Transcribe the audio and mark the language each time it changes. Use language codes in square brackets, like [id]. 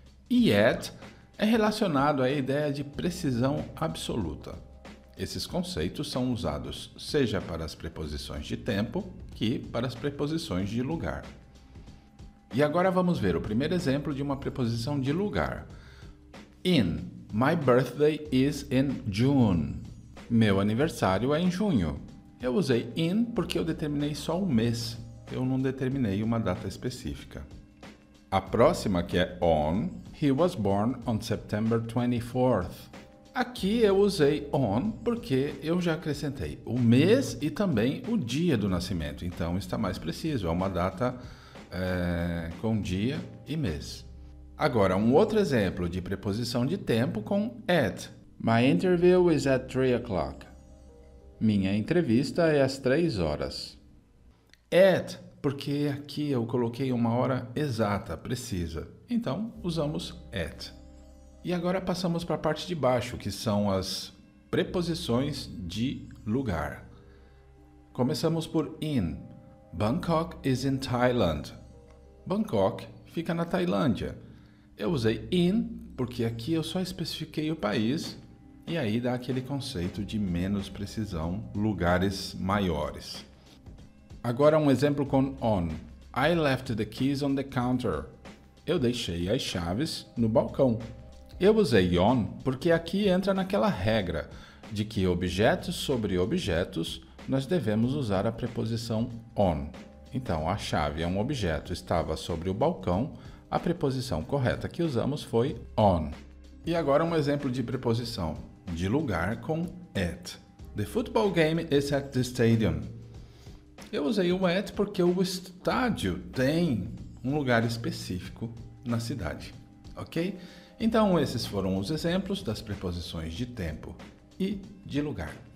[pt] E at é relacionado à ideia de precisão absoluta. Esses conceitos são usados seja para as preposições de tempo que para as preposições de lugar. E agora vamos ver o primeiro exemplo de uma preposição de lugar. [en] In, my birthday is in June. [pt] Meu aniversário é em junho. Eu usei in porque eu determinei só um mês. Eu não determinei uma data específica. A próxima, que é on, [en] he was born on September 24th. [pt] Aqui eu usei on porque eu já acrescentei o mês e também o dia do nascimento. Então está mais preciso, é uma data com dia e mês. Agora, um outro exemplo de preposição de tempo com at. [en] My interview is at 3 o'clock. [pt] Minha entrevista é às 3 horas. At, porque aqui eu coloquei uma hora exata, precisa. Então, usamos at. E agora passamos para a parte de baixo, que são as preposições de lugar. Começamos por in. [en] Bangkok is in Thailand. [pt] Bangkok fica na Tailândia. Eu usei in porque aqui eu só especifiquei o país e aí dá aquele conceito de menos precisão, lugares maiores. Agora um exemplo com on. [en] I left the keys on the counter. [pt] Eu deixei as chaves no balcão. Eu usei on porque aqui entra naquela regra de que objetos sobre objetos nós devemos usar a preposição on. Então a chave é um objeto, estava sobre o balcão. A preposição correta que usamos foi on. E agora um exemplo de preposição de lugar com at. [en] The football game is at the stadium. [pt] Eu usei o at porque o estádio tem um lugar específico na cidade, ok? Então esses foram os exemplos das preposições de tempo e de lugar.